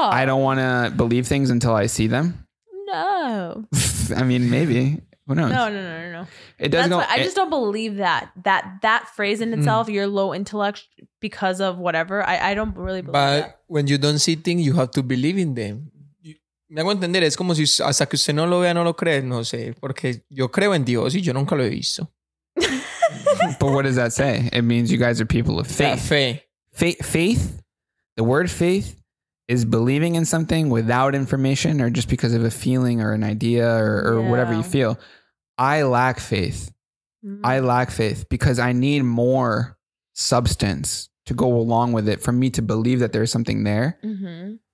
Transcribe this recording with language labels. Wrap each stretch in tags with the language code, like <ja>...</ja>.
<en>I don't want to believe things until I see them? No. I mean, maybe. Who knows? No. It does go. I just don't believe that. That phrase in itself, you're low intellect because of whatever. I don't really believe but that. But when you don't see things, you have to believe in them.</en> <es>Me hago entender, es como si hasta que usted no lo vea, no lo cree, no sé, porque yo creo en Dios y yo nunca lo he visto.</es> <en>But what does that say? It means you guys are people of faith. Faith, the word faith is believing in something without information or just because of a feeling or an idea or whatever you feel. I lack faith. Mm-hmm. I lack faith because I need more substance to go along with it for me to believe that there's something there. Mm-hmm.</en>